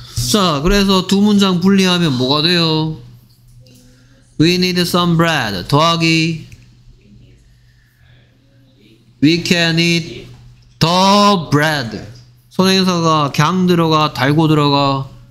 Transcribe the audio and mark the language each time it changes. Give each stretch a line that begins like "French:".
Korean: 자, 그래서 두 문장 분리하면 뭐가 돼요?
English: We need some bread
Korean: 더하기
English: We can eat the bread.
Korean: 선행사가 강 들어가, 달고 들어가.